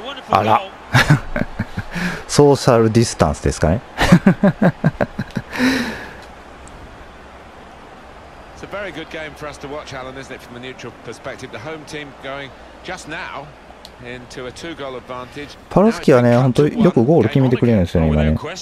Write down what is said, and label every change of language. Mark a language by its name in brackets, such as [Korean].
[Japanese] あら、ソーシャルディスタンスですかね。 [English] It's a very good game for us to watch, Alan, isn't it, from the neutral perspective? The home team going just now into a two-goal advantage. [Japanese] パロスキーはね、本当よくゴール決めてくれるんですよね、今ね。